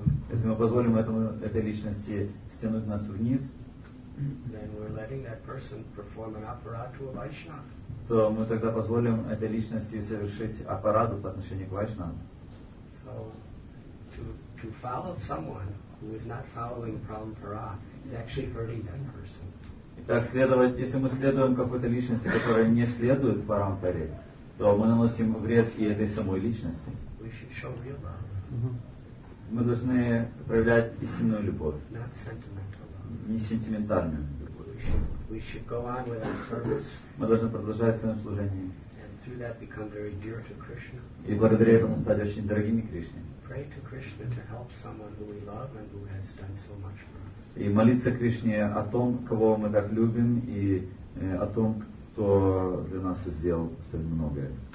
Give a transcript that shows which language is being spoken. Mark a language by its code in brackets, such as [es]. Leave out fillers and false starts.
[ru] Если мы позволим этой личности стянуть нас вниз, [en] then we're letting that person perform an aparad to a Vaishnava. [ru] То мы тогда позволим этой личности совершить апараду по отношению к Вайшнаве. [en] So to follow someone who is not following Prabhupada is actually hurting that person. [ru] Итак, следовать, если мы следуем какой-то личности, которая не следует Прабхупаде, то мы наносим вред и этой самой личности. [en] We should show real love. [ru] Мы должны проявлять истинную любовь. [en] Not sentimental. [ru] Не сентиментальную. [en] We should go on with our service. [ru] Мы должны продолжать своим служением. [en] And through that become very dear to Krishna. [ru] И благодаря этому стать очень дорогими Кришне. [en] Pray to Krishna to help someone who we love and who has done so much for us. [ru] И молиться Кришне о том, кого мы так любим, и о том, кто для нас сделал столь многое.